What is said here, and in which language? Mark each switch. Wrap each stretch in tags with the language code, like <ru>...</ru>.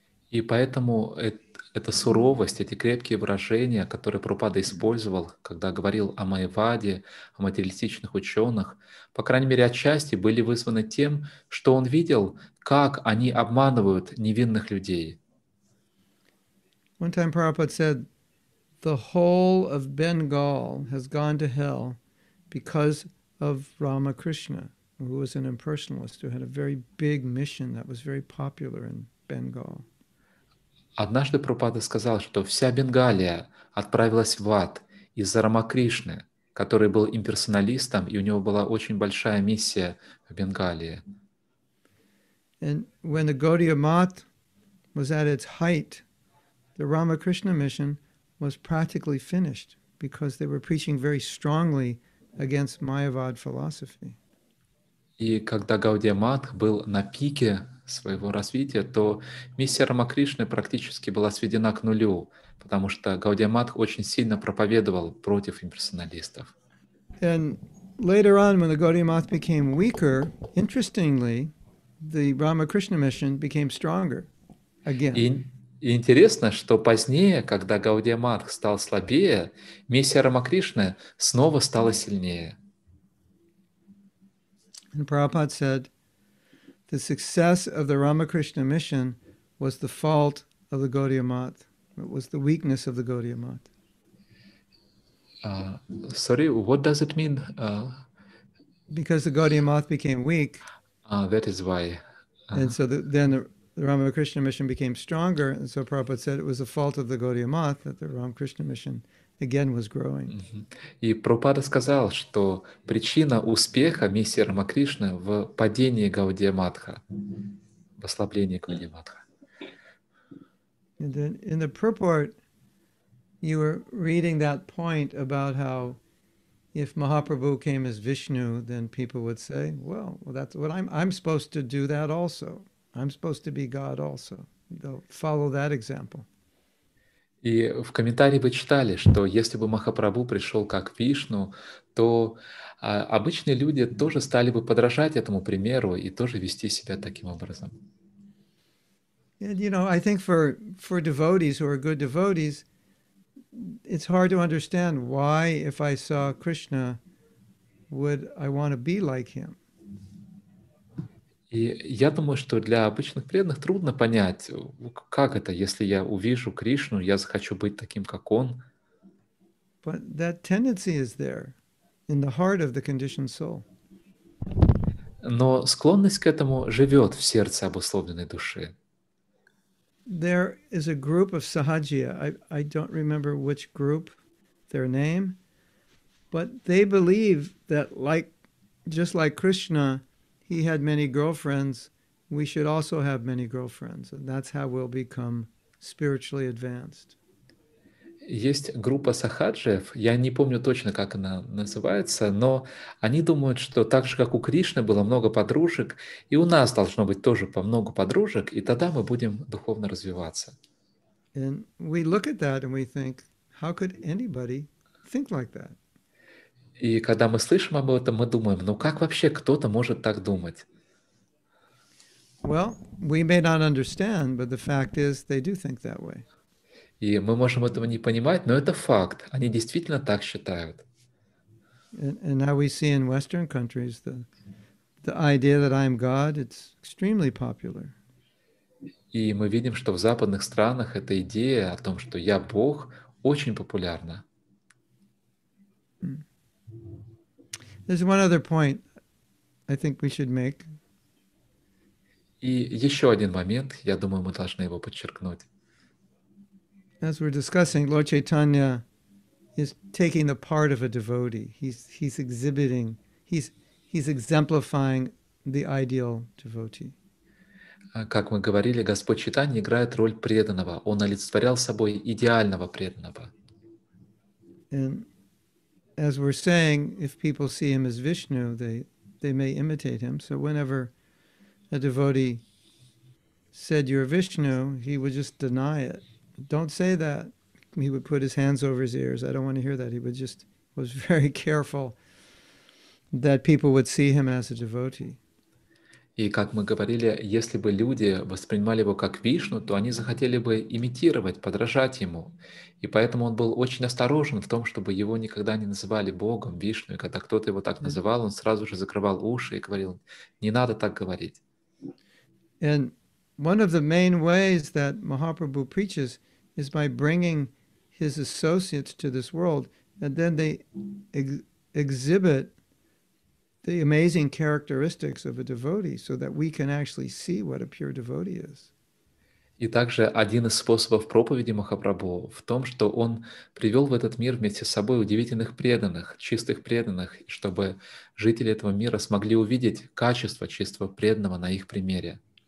<ru>И поэтому эта суровость, эти крепкие выражения, которые Прабхупада использовал, когда говорил о Майаваде, о материалистичных ученых, по крайней мере, отчасти были вызваны тем, что он видел, как они обманывают невинных людей.</ru> <en>One time Prabhupada said, the whole of Bengal has gone to hell because of Ramakrishna, who was an impersonalist, who had a very big mission that was very popular in Bengal.</en> <ru>Однажды Прабхупада сказал, что вся Бенгалия отправилась в ад из-за Рамакришны, который был имперсоналистом, и у него была очень большая миссия в Бенгалии.</ru> <en>And when the Gaudiya Math was at its height, the Ramakrishna mission was practically finished because they were preaching very strongly against Mayavad philosophy.</en> <ru>И когда Гаудия Матх был на пике своего развития, то миссия Рамакришны практически была сведена к нулю, потому что Гаудия Матх очень сильно проповедовал против имперсоналистов.</ru> <en>And later on, when the Gaudiya Math became weaker, interestingly, the Ramakrishna mission became stronger again.</en> <ru>И интересно, что позднее, когда Гаудия Матх стал слабее, миссия Рамакришны снова стала сильнее.</ru> <en>And Prabhupada said, the success of the Ramakrishna mission was the fault of the Gaudiya Math. It was the weakness of the Gaudiya Math. Sorry, what does it mean? Because the Gaudiya Math became weak. That is why. The Ramakrishna mission became stronger, and so Prabhupada said it was the fault of the Gaudiya Math that the Ramakrishna mission again was growing. Mm-hmm.</en> <ru>И Прабхупада сказал, что причина успеха миссии Рамакришны в падении Гаудия Матха, в ослаблении Гаудия Матха.</ru> <en>And then in the purport, you were reading that point about how if Mahaprabhu came as Vishnu, then people would say, well, that's what I'm supposed to do that also. I'm supposed to be God also. They'll follow that example.</en> <ru>И в комментарии вы читали, что если бы Махапрабху пришел как Вишну, то обычные люди тоже стали бы подражать этому примеру и тоже вести себя таким образом.</ru> <en>And, you know, I think for devotees who are good devotees, it's hard to understand why, if I saw Krishna, would I want to be like him.</en> <ru>И я думаю, что для обычных преданных трудно понять, как это, если я увижу Кришну, я захочу быть таким, как он.</ru> <en>But that tendency is there, in the heart of the conditioned soul.</en> <ru>Но склонность к этому живет в сердце обусловленной души.</ru> <en>There is a group of Sahajiya. I don't remember which group, their name, but they believe that just like Krishna, he had many girlfriends, we should also have many girlfriends, and that's how we'll become spiritually advanced.</en> <ru>Есть группа сахаджиев, я не помню точно, как она называется, но они думают, что так же, как у Кришны было много подружек, и у нас должно быть тоже по много подружек, и тогда мы будем духовно развиваться.</ru> <en>And we look at that and we think, how could anybody think like that?</en> <ru>И когда мы слышим об этом, мы думаем, ну как вообще кто-то может так думать?</ru> <en>Well, we may not understand, but the fact is, they do think that way.</en> <ru>И мы можем этого не понимать, но это факт. Они действительно так считают.</ru> <en>And now we see in Western countries the idea that I am God, it's extremely popular.</en> <ru>И мы видим, что в западных странах эта идея о том, что я Бог, очень популярна.</ru> <en>There's one other point I think we should make.</en> <ru>И еще один момент, я думаю, мы должны его подчеркнуть.</ru> <en>As we're discussing, Lord Chaitanya is taking the part of a devotee. He's exemplifying the ideal devotee.</en> <ru>Как мы говорили, Господь Чайтанья играет роль преданного. Он олицетворял собой идеального преданного.</ru> <en>And as we're saying, if people see him as Vishnu, they may imitate him. So whenever a devotee said, "You're Vishnu," he would just deny it. Don't say that. He would put his hands over his ears. I don't want to hear that. He would just was very careful that people would see him as a devotee.</en> <ru>И как мы говорили, если бы люди воспринимали его как Вишну, то они захотели бы имитировать, подражать ему. И поэтому он был очень осторожен в том, чтобы его никогда не называли Богом, Вишну. И когда кто-то его так называл, он сразу же закрывал уши и говорил: «Не надо так говорить».</ru> <en>And one of the main ways that Mahaprabhu preaches is by bringing his associates to this world, and then they exhibit the amazing characteristics of a devotee so that we can actually see what a pure devotee is.</en> <ru>И также один из способов проповеди Махапрабху в том, что он привел в этот мир вместе с собой удивительных преданных, чистых преданных, чтобы жители этого мира смогли увидеть качество чистого преданного на их примере.</ru>